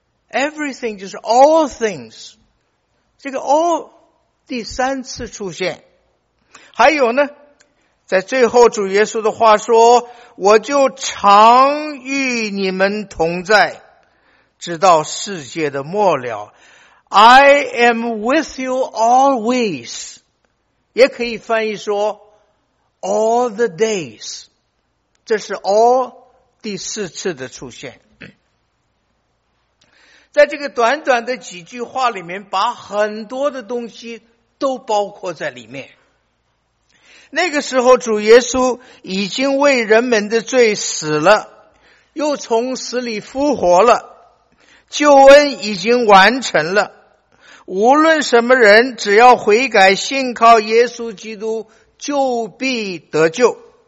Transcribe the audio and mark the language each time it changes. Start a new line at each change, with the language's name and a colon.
English: Everything
Chinese: 就是
English: all things，
Chinese: 这个 all 第三次出现。还有呢，在最后主耶稣的话说，我就常与你们同在，直到世界的末了。
English: I am with you always，
Chinese: 也可以翻译说
English: All the days，
Chinese: 这是 all 第四次的出现。在这个短短的几句话里面，把很多的东西都包括在里面。那个时候主耶稣已经为人们的罪死了，又从死里复活了，救恩已经完成了，无论什么人只要悔改信靠耶稣基督，就必得救。